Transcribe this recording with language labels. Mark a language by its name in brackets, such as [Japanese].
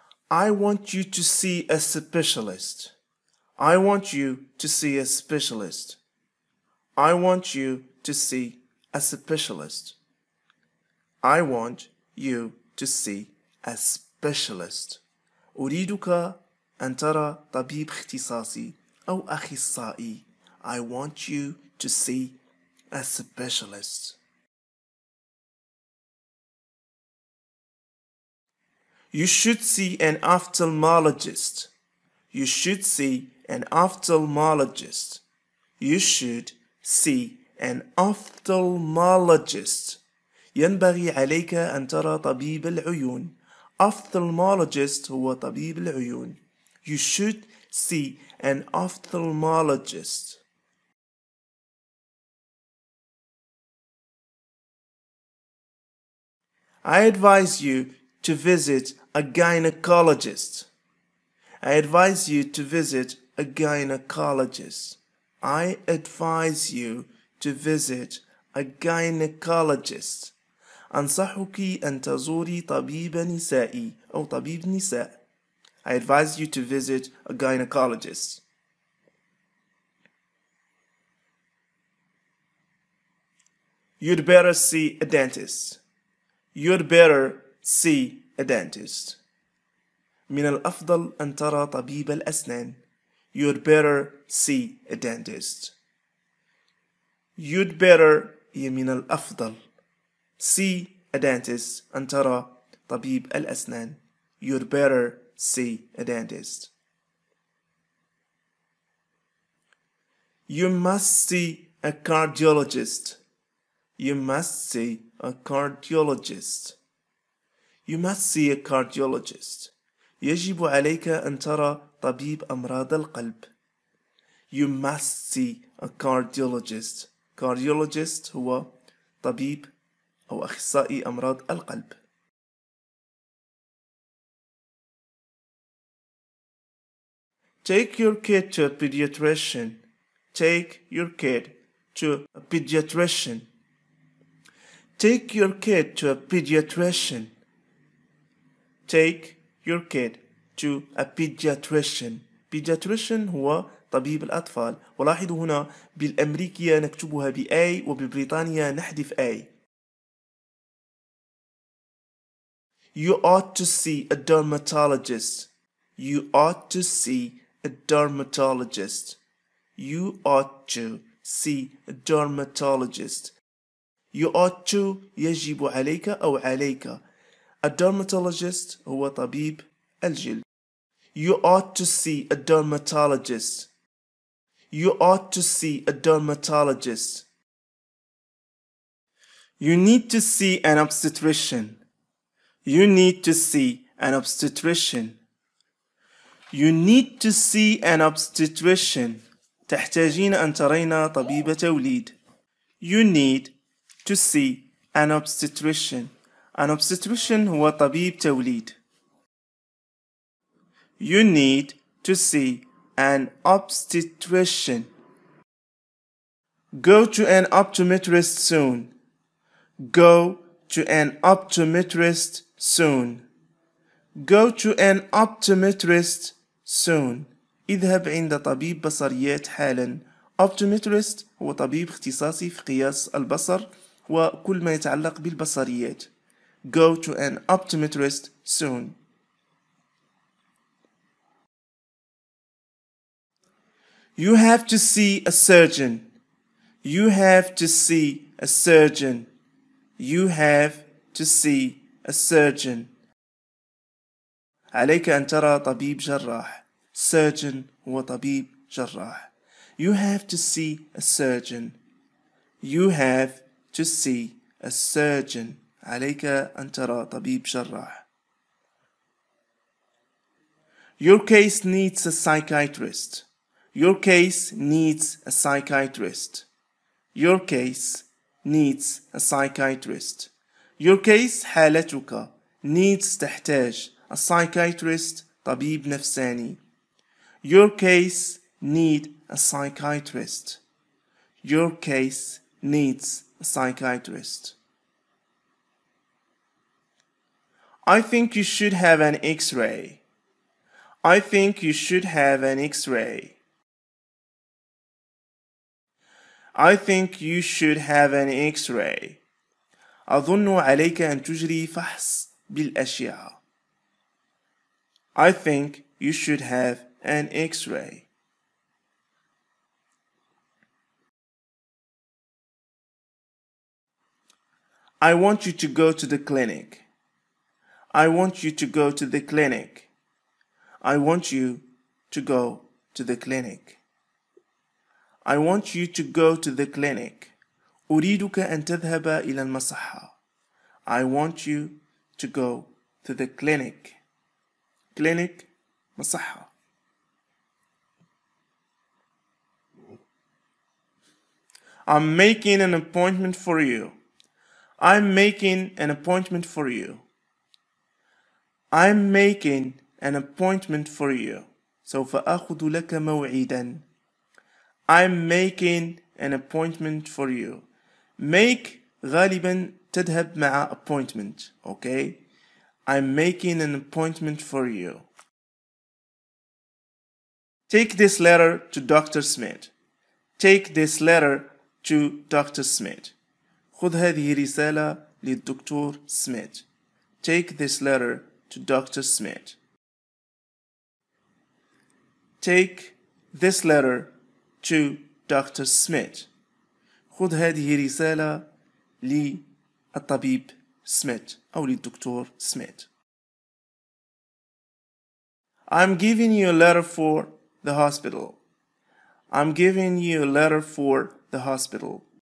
[English] I want you to see a specialist. I want you to see a specialist. I want you to see a specialist. I want you to see a specialist. [Arabic] أريدك أن ترى طبيب اختصاصي أو أخصائي. [English] I want you to see a specialist. You should see an ophthalmologist. You should see an ophthalmologist. You should see an ophthalmologist. [Arabic] ينبغي عليك أن ترى طبيب العيون. Ophthalmologist هو طبيب العيون. [English] You should see an ophthalmologist. I advise you to visit a gynecologist. I advise you to visit a gynecologist. I advise you to visit a gynecologist. [Arabic] أنصحك أن تزوري طبيب نسائي أو طبيب نساء. [English] I advise you to visit a gynecologist. You'd better see a dentist. You'd better see a dentist. [Arabic] من الأفضل أن ترى طبيب الأسنان. [English] You'd better see a dentist. You'd better, [Arabic] هي من الأفضل. [English] See a dentist, [Arabic] أن ترى طبيب الأسنان. [English] You'd better see a dentist. You must see a cardiologist. You must see a cardiologist. You must see a cardiologist. [Arabic] يجب عليك أن ترى طبيب أمراض القلب. [English] You must see a cardiologist. [Arabic] Cardiologist هو طبيب أو أخصائي أمراض القلب. [English] Take your kid to a pediatrician. Take your kid to a pediatrician. Take your kid to a pediatrician. Take your kid to a pediatrician. Pediatrician [Arabic] هو طبيب الأطفال. ولاحظوا هنا بالأمريكية نكتبها بأي وببريطانيا نحذف أي. [English] You ought to see a dermatologist. You ought to see a dermatologist. You ought to see a dermatologist. You ought to [Arabic] يجب عليك أو عليك. [English] A dermatologist [Arabic] هو طبيب الجلد. [English] You ought to see a dermatologist. You ought to see a dermatologist. You need to see an obstetrician. You need to see an obstetrician. You need to see an obstetrician. [Arabic] تحتاجين أن ترين طبيبة توليد. [English] You need to see an obstetrician. An obstetrician [Arabic] هو طبيب توليد. [English] You need to see an obstetrician. Go to an optometrist soon. Go to an optometrist soon. Go to an optometrist soon. [Arabic] اذهب عند طبيب بصريات حالا. Optometrist هو طبيب اختصاصي في قياس البصر وكل ما يتعلق بالبصريات. [English] Go to an optometrist soon. You have to see a surgeon. You have to see a surgeon. You have to see a surgeon. [Arabic] عليك أن ترى طبيب جراح. Surgeon هو طبيب جراح. [English] You have to see a surgeon. You have to see a surgeon. [Arabic] عليك أن ترى طبيب جراح. [English] Your case needs a psychiatrist. Your case needs a psychiatrist. Your case needs a psychiatrist. Your case [Arabic] حالتك [English] needs [Arabic] تحتاج [English] a psychiatrist [Arabic] طبيب نفساني. [English] Your case need a psychiatrist. Your case needs a psychiatrist. I think you should have an X-ray. I think you should have an X-ray. I think you should have an X-ray. [Arabic] أظن عليك أن تجري فحص بالأشعة. [English] I think you should have an X-ray. I want you to go to the clinic. I want you to go to the clinic. I want you to go to the clinic. I want you to go to the clinic. [Arabic] أريدك أن تذهب إلى المصحة. [English] I want you to go to the clinic. [Arabic] Clinic, مصحة. [English] I'm making an appointment for you. I'm making an appointment for you. I'm making an appointment for you. [Arabic] سوف أخذ لك موعداً. [English] I'm making an appointment for you. [Arabic] Make غالبا تذهب مع appointment. [English] Okay. I'm making an appointment for you. Take this letter to Dr. Smith. Take this letter to Dr. Smith. [Arabic] خذ هذه رسالة للدكتور سميث. [English] Take this letter to Dr. Smith. Take this letter to Dr. Smith. [Arabic] خذ هذه رسالة للطبيب سميث أو للدكتور سميث. [English] I'm giving you a letter for the hospital. I'm giving you a letter for the hospital.